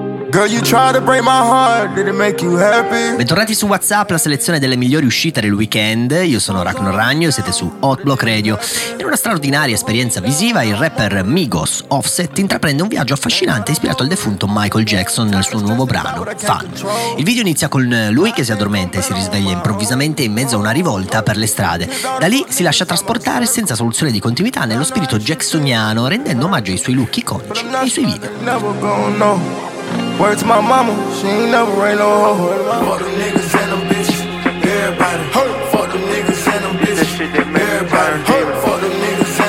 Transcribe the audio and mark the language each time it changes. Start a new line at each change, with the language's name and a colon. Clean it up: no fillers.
English: Girl, you try to break my heart, did it make you happy?
Italian: Bentornati su WhatsApp, la selezione delle migliori uscite del weekend. Io sono Ragnar Ragno e siete su Hot Block Radio. In una straordinaria esperienza visiva, il rapper Migos Offset intraprende un viaggio affascinante ispirato al defunto Michael Jackson nel suo nuovo brano, Fun. Il video inizia con lui che si addormenta e si risveglia improvvisamente in mezzo a una rivolta per le strade. Da lì si lascia trasportare senza soluzione di continuità nello spirito jacksoniano, rendendo omaggio ai suoi look iconici e ai suoi video.
English: Word to my mama, she ain't never ain't no hoe. Fuck them niggas and them bitches, everybody. Hurt. Fuck them niggas and them bitches, everybody.